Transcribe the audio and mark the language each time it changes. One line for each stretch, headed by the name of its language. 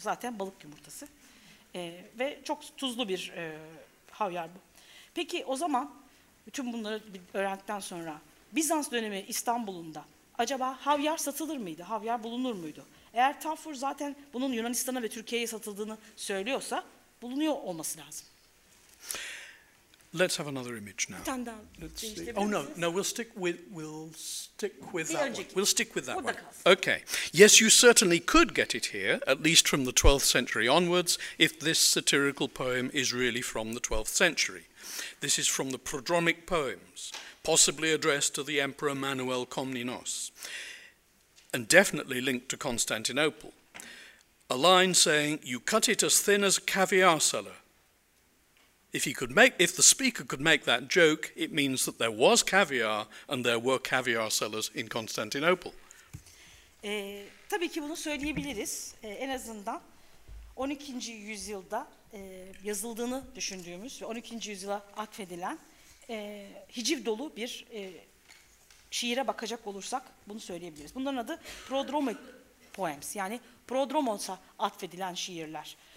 Turkish: Zaten balık yumurtası. Ve çok tuzlu bir havyar bu. Peki o zaman bütün bunları öğrendikten sonra Bizans dönemi İstanbul'unda acaba havyar satılır mıydı? Havyar bulunur muydu? Eğer Tafur zaten bunun Yunanistan'a ve Türkiye'ye satıldığını söylüyorsa bulunuyor olması lazım.
English: Let's have another image now. Let's see. Oh no, we'll stick with that one. We'll stick with that one. Okay. Yes, you certainly could get it here, at least from the 12th century onwards, if this satirical poem is really from the 12th century. This is from the Prodromic Poems, possibly addressed to the Emperor Manuel Komnenos, and definitely linked to Constantinople. A line saying, "You cut it as thin as a caviar seller." If the speaker could make that joke, it means that there was caviar and there were caviar sellers in Constantinople.
Turkish: Tabii ki bunu söyleyebiliriz. En azından 12. yüzyılda yazıldığını düşündüğümüz ve 12. yüzyıla atfedilen hiciv dolu bir şiire bakacak olursak bunu söyleyebiliriz. Bunların adı Prodromic Poems, yani Prodromos'a atfedilen şiirler.